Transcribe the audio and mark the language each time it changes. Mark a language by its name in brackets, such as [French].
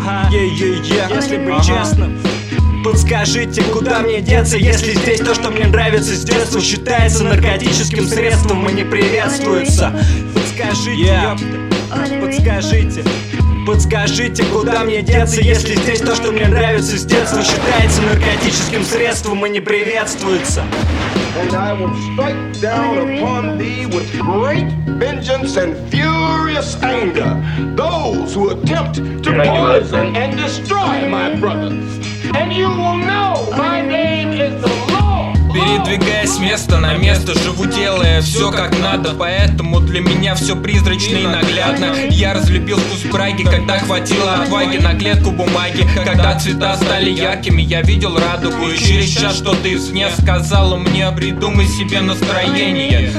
[Russian] Если быть честным. Подскажите, куда мне деться, если здесь то, что мне нравится с детства, считается наркотическим средством и не приветствуется. Подскажите, подскажите, куда мне деться, если здесь то, что мне нравится с детства, считается наркотическим средством и не приветствуется. [English] And I will strike down upon thee with great vengeance and furious anger those who attempt to poison and destroy my brothers. [Russian] And you will know my name is the Передвигаясь с места на место, живу, делая все как надо. Поэтому для меня все призрачно и наглядно. Я разлюбил вкус браги, когда хватило отваги на клетку бумаги. Когда цвета стали яркими, я видел радугу. И через час что-то извне сказало мне: придумай себе настроение.